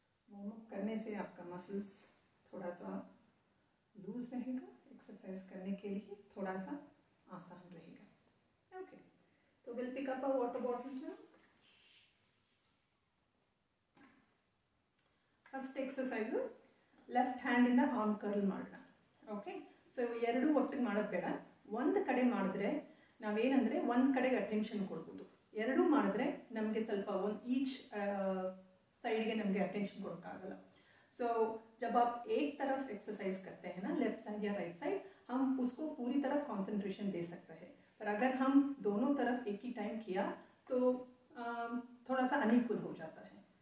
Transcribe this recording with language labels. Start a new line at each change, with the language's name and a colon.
Hindi: Warm up करने से आपका मसल्स थोड़ा सा लूज रहेगा, एक्सरसाइज करने के लिए थोड़ा सा आसान रहेगा।
English: Okay, तो will pick up a water bottles now. First exercise left hand in the arm curl
Kannada: ಮಾಡಣ। ಓಕೆ, ಸೋ ಇವು ಎರಡು ಒಟ್ಟಿಗೆ ಮಾಡೋದು ಬೇಡ, ಒಂದು ಕಡೆ ಮಾಡಿದ್ರೆ ನಾವೇನಂದ್ರೆ ಒಂದು ಕಡೆಗೆ ಅಟೆನ್ಷನ್ ಕೊಡ್ಬೋದು, ಎರಡು ಮಾಡಿದ್ರೆ ನಮಗೆ ಸ್ವಲ್ಪ ಈಚ್ ಸೈಡ್ಗೆ ನಮಗೆ ಅಟೆನ್ಷನ್ ಕೊಡೋಕ್ಕಾಗಲ್ಲ।
Hindi: सो जब आप एक तरफ एक्सरसाइज करते हैं ना, लेफ्ट साइड या राइट साइड, हम उसको पूरी तरह कॉन्सेंट्रेशन दे सकते हैं, पर अगर हम दोनों तरफ एक ही टाइम किया तो थोड़ा सा अनइक्वल हो जाता है।